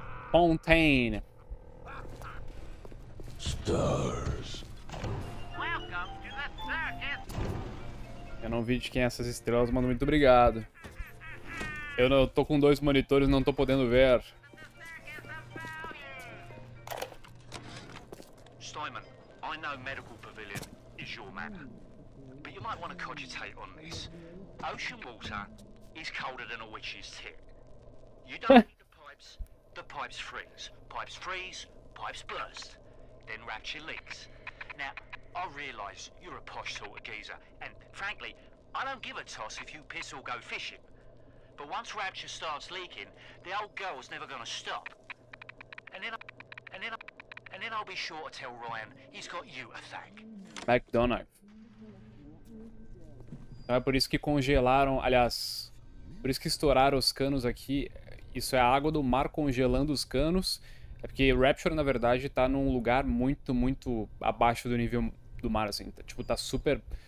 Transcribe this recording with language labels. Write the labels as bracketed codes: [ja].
[en] Fontaine. Stars. [pt] Eu não vi de quem é essas estrelas, mano. Muito obrigado. Eu não tô com dois monitores, não tô podendo ver. [en] Simon, I know medical pavilion is your map. But you might want to cogitate on this. Ocean water is colder than a witch's tit. You don't need the pipes. The pipes freeze. Pipes freeze, pipes burst. Then Rapture leaks. Now, I realize you're a posh sort of geezer, and frankly, I don't give a toss if you piss or go fishing. But once Rapture starts leaking, the old girl's never gonna stop. And then I'll be sure to tell Ryan he's got you to thank. McDonough. [pt] Então é por isso que congelaram, aliás, por isso que estouraram os canos aqui. Isso é a água do mar congelando os canos. É porque Rapture, na verdade, tá num lugar muito, muito abaixo do nível do mar, assim. Tá, tipo, tá super...